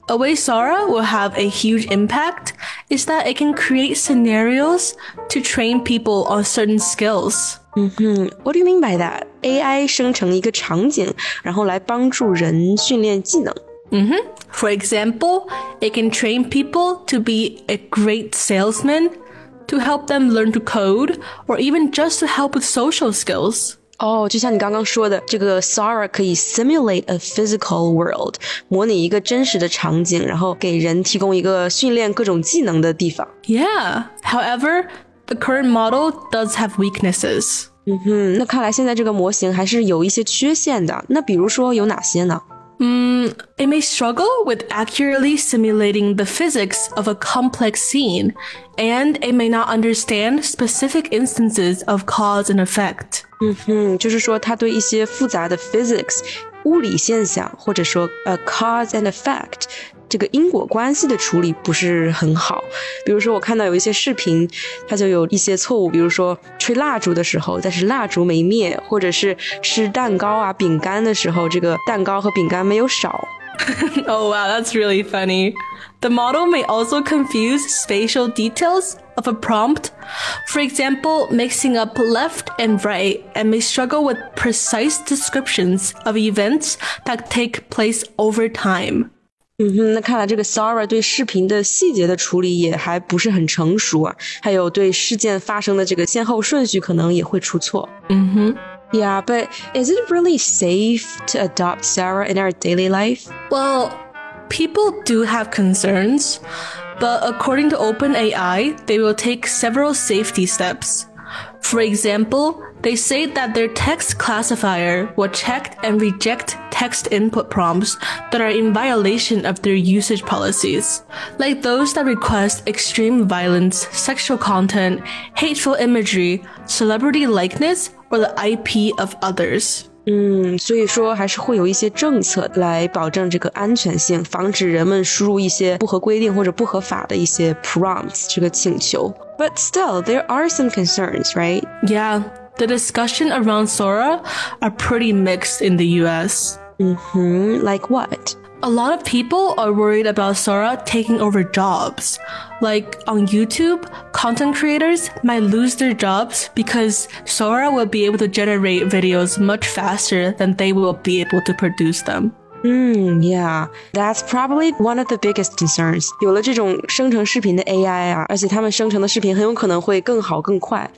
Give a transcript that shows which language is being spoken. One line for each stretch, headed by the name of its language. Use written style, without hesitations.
English: way Sora will have a huge impact is that it can create scenarios to train people on certain skills. What do you mean by that?
Chinese: AI 生成一个场景然后来帮助人训练技能。
English: For example, it can train people to be a great salesman, to help them learn to code, or even just to help with social skills.
Chinese: 就像你刚刚说的，这个 Sora 可以
English: simulate a physical world，
Chinese: 模拟一个真实的场景，然后给人提供一个训练各种技能的地方。
English: Yeah. However, the current model does have weaknesses.
Chinese: 那看来现在这个模型还是有一些缺陷的。那比如说有哪些呢？
English: It may struggle with accurately simulating the physics of a complex scene, and it may not understand specific instances of cause and effect.
Chinese: 就是说它对一些复杂的 physics, 物理现象或者说
English: cause and effect,
Chinese: 这个因果关系的处理不是很好。比如说我看到有一些视频它就有一些错误，比如说吹蜡烛的时候但是蜡烛没灭，或者是吃蛋糕啊饼干的时候这个蛋糕和饼干没有少。
English: Oh wow, that's really funny. The model may also confuse spatial details of a prompt. For example, mixing up left and right, and may struggle with precise descriptions of events that take place over time.
Chinese: 那看来这个 Sora 对视频的细节的处理也还不是很成熟啊，还有对事件发生的这个先后顺序可能也会出错。
English: Yeah, but is it really safe to adopt Sora in our daily life? Well, people do have concerns, but according to OpenAI, they will take several safety steps. For example, they say that their text classifier will check and reject text input prompts that are in violation of their usage policies, like those that request extreme violence, sexual content, hateful imagery, celebrity likeness,or the IP of others.
Chinese: 所以说还是会有一些政策来保证这个安全性，防止人们输入一些不合规定或者不合法的一些 prompts, 这个请求。
English: But still, there are some concerns, right? Yeah, the discussion around Sora are pretty mixed in the US. Like what? A lot of people are worried about Sora taking over jobs. Like on YouTube, content creators might lose their jobs because Sora will be able to generate videos much faster than they will be able to produce them. Yeah, that's probably one of the biggest concerns.
Chinese: 有了这种生成视频的 AI 啊，而且他们生成的视频很有可能会更好更快。